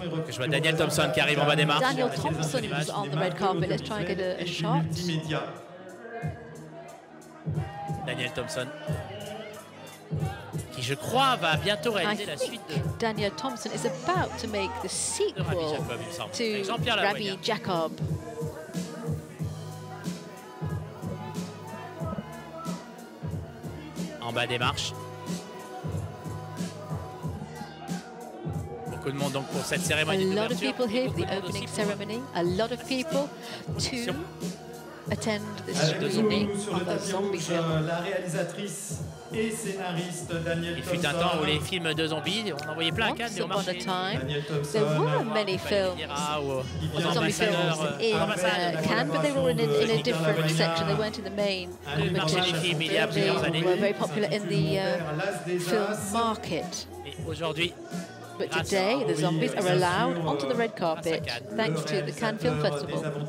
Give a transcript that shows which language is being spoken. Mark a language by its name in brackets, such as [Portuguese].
[French] Je vois Daniel Thompson qui arrive en bas des marches. [English] Daniel Thompson is on the red carpet. Let's try and get a shot. [French] Daniel Thompson, qui je crois va bientôt réaliser la suite de [English] Daniel Thompson is about to make the sequel to Rabbi Jacob. [French] En bas des marches. Beaucoup de monde donc pour cette cérémonie d'ouverture. [English] A lot of people here for the opening ceremony. A lot of people to attend the screening of a zombie film. [French] La réalisatrice et scénariste Daniel Thompson. Il fut un temps où les films de zombies, on en voyait plein à Cannes, mais on marchait. [English] Thompson, there were many films, zombie films in Cannes, but they were in a different section. They weren't in the main competition. They were very popular in the film market. [French] Et aujourd'hui, [English] but today, the zombies are allowed onto the red carpet thanks to the Cannes Film Festival.